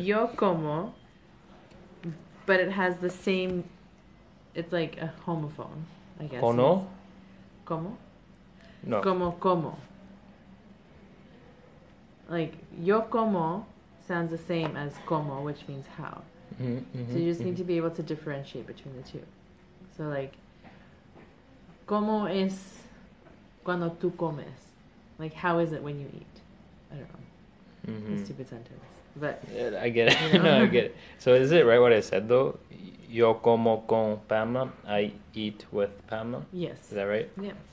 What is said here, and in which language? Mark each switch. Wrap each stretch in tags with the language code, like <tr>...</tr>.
<es>Yo como,</es> <en>but it has the same, it's like a homophone. I guess.</en> <es>Como? Como?</es> <en>No.</en> <es>Como.</es> <en>Like,</en> <es>yo como</es> <en>sounds the same as como, which means how. Mm-hmm, so you just need to be able to differentiate between the two.</en> <es>So like, ¿cómo es cuando tú comes?</es> <en>Like, how is it when you eat? I don't know. Mm-hmm. A stupid sentence. But yeah, I get it. You know? No, I get it. So is it right what I said though?</en> <es>Yo como con Pamela.</es> <en>I eat with Pamela. Yes. Is that right? Yeah.</en>